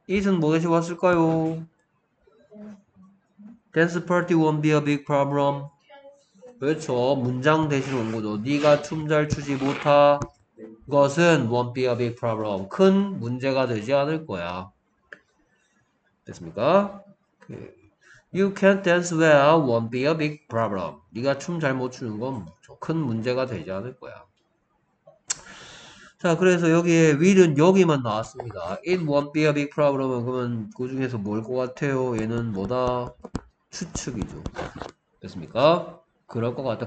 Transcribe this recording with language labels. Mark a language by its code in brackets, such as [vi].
[ko] It은 뭐 대신 왔을까요? [en] Dance party won't be a big problem. [ko] 그렇죠. 문장 대신 온 거죠. 네가 춤 잘 추지 못한 것은 [en] won't be a big problem. [ko] 큰 문제가 되지 않을 거야. 됐습니까? [en] You can't dance well won't be a big problem. [ko] 네가 춤 잘 못 추는 건 큰 문제가 되지 않을 거야. 자, 그래서 여기에 will은 여기만 나왔습니다. [en] It won't be a big problem. [ko] 그러면 그 중에서 뭘 것 같아요? 얘는 뭐다? 추측이죠. 됐습니까? 그럴 것 같다.